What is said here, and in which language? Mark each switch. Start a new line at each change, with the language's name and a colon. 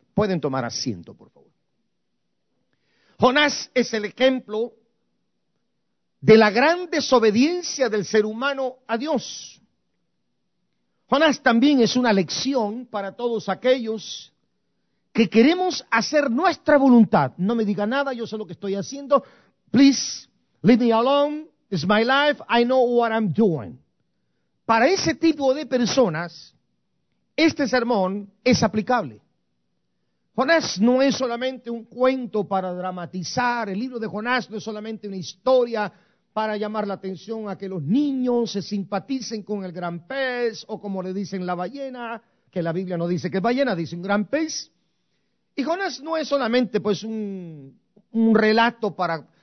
Spanish: Pueden tomar asiento, por favor. Jonás es el ejemplo de la gran desobediencia del ser humano a Dios. Jonás también es una lección para todos aquellos que queremos hacer nuestra voluntad. No me diga nada, yo sé lo que estoy haciendo.
English: Please, leave me alone. It's my life, I know what I'm doing.
Spanish: Para ese tipo de personas, este sermón es aplicable. Jonás no es solamente un cuento para dramatizar, el libro de Jonás no es solamente una historia para llamar la atención a que los niños se simpaticen con el gran pez, o como le dicen la ballena, que la Biblia no dice que es ballena, dice un gran pez. Y Jonás no es solamente pues un relato para